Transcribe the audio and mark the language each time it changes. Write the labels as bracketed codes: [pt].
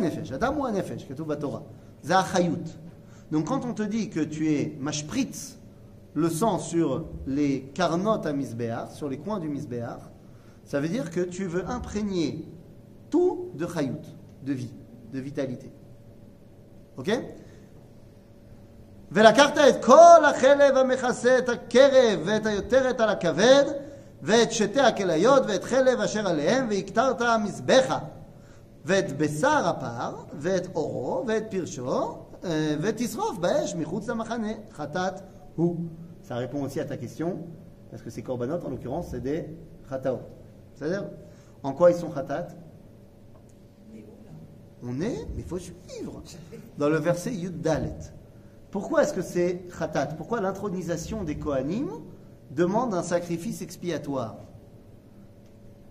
[fr] nefesh. Adam ou un nefesh, que tout va Torah. Zah Chayut. Donc, quand on te dit que tu es mashpritz, le sang sur les karnot à Misbéar, sur les coins du Misbéar, ça veut dire que tu veux imprégner tout de Chayut, de vie, de vitalité. Ok ? [he] ולקחת את כל החלב המכסה את הקרב ואת היותרת על הכבד ואת שתי הכליות ואת חלב אשר עליהם והקטרת מזבחה ואת בשר הפר ואת אורו ואת פרשו ותשרוף באש מחוץ למחנה חטאת הוא. [fr] Ça répond aussi à ta question, parce que ces corbanotes, en l'occurrence, c'est des chataot. C'est-à-dire, en quoi ils sont chatat? On est, mais il faut suivre. Dans le verset Yud Dalet. Pourquoi est-ce que c'est khatat ? Pourquoi l'intronisation des Kohanim demande un sacrifice expiatoire ?